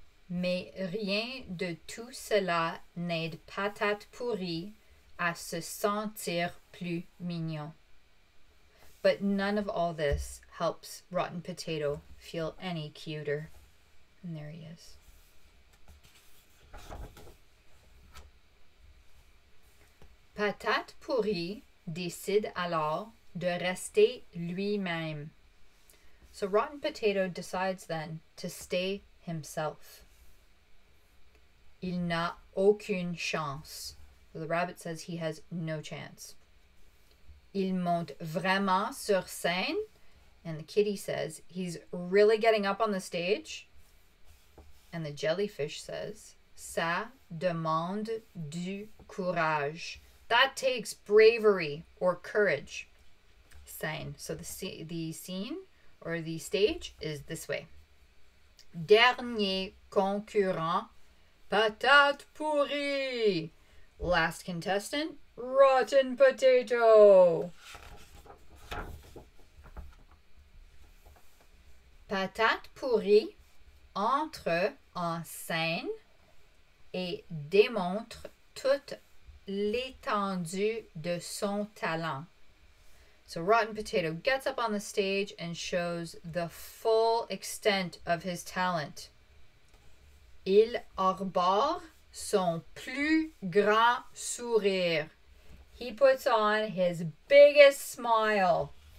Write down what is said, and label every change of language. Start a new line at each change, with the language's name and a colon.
French: Mais rien de tout cela n'aide Patate pourrie à se sentir plus mignon.
English: But none of all this helps Rotten Potato feel any cuter. And there he is.
French: Patate pourrie décide alors de rester lui-même.
English: So Rotten Potato decides then to stay himself.
French: Il n'a aucune chance.
English: So the rabbit says he has no chance.
French: Il monte vraiment sur scène.
English: And the kitty says he's really getting up on the stage. And the jellyfish says,
French: ça demande du courage.
English: That takes bravery or courage. Scène. So the scene or the stage is this way.
French: Dernier concurrent. Patate pourrie.
English: Last contestant, Rotten Potato.
French: Patate pourrie entre en scène et démontre toute l'étendue de son talent.
English: So Rotten Potato gets up on the stage and shows the full extent of his talent.
French: Il arbore son plus grand sourire.
English: He puts on his biggest smile.